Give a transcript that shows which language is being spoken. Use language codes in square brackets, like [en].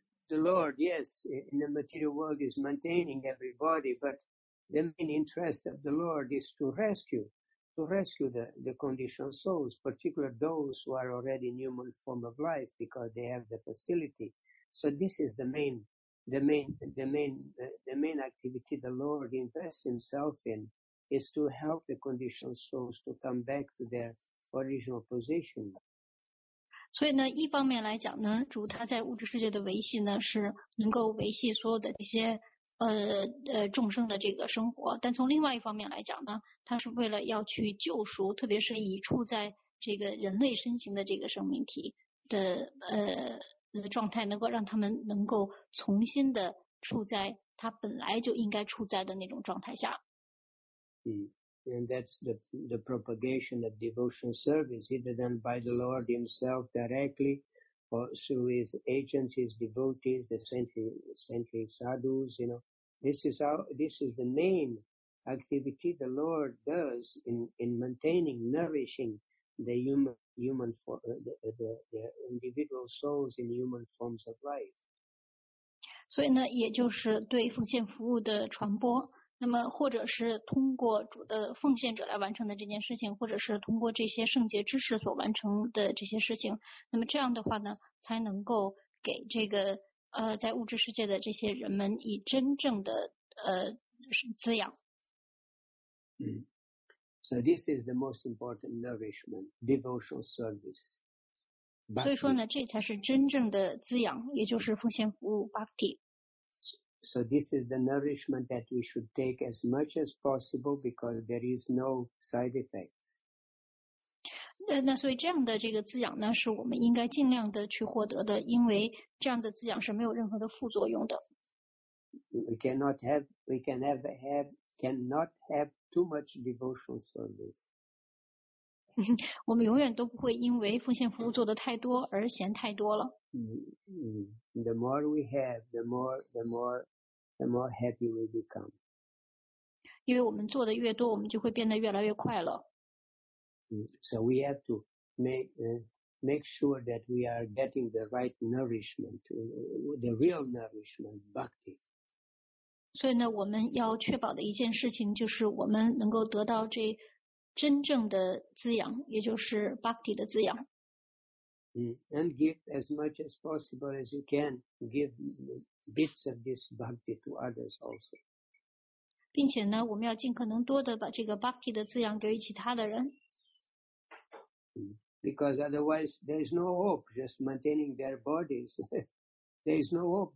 [en] The Lord, yes, in the material world is maintaining everybody, but the main interest of the Lord is to rescue the conditioned souls, particularly those who are already in human form of life because they have the facility. So this is the main activity the Lord invests himself in, is to help the conditioned souls to come back to their original position. [zh] 所以呢，一方面来讲呢，主他在物质世界的维系呢，是能够维系所有的这些众生的这个生活。但从另外一方面来讲呢，他是为了要去救赎，特别是已处在这个人类身形的这个生命体的状态，能够让他们能够重新的处在他本来就应该处在的那种状态下。 [en] And that's the propagation of devotional service, either done by the Lord himself directly, or through his agents, his devotees, the saintly sadhus, you know. This is the main activity the Lord does in maintaining, nourishing the human for the individual souls in human forms of life. [zh] 所以呢，也就是对奉献服务的传播，那么或者是通过主的奉献者来完成的这件事情，或者是通过这些圣洁知识所完成的这些事情，那么这样的话呢，才能够给这个在物质世界的这些人们以真正的滋养。 [en] So this is the most important nourishment, devotional service. [zh] 所以说呢，这才是真正的滋养，也就是奉献服务 bhakti。 [en] So this is the nourishment that we should take as much as possible because there is no side effects. [zh] 那所以这样的这个滋养呢，是我们应该尽量的去获得的，因为这样的滋养是没有任何的副作用的。 [en] We cannot have too much devotional service. [zh] 我们永远都不会因为奉献服务做得太多而嫌太多了。 [en] The more we have, the more happy we become. [zh] 因为我们做的越多，我们就会变得越来越快乐。 [en] So we have to make sure that we are getting the right nourishment, the real nourishment, bhakti. [zh] 所以呢，我们要确保的一件事情就是我们能够得到这真正的滋养，也就是 bhakti 的滋养。 [en] And give as much as possible as you can, give bits of this bhakti to others also. [zh] 并且呢，我们要尽可能多的把这个 bhakti 的滋养给予其他的人。 [en] Because otherwise there is no hope just maintaining their bodies. There is no hope.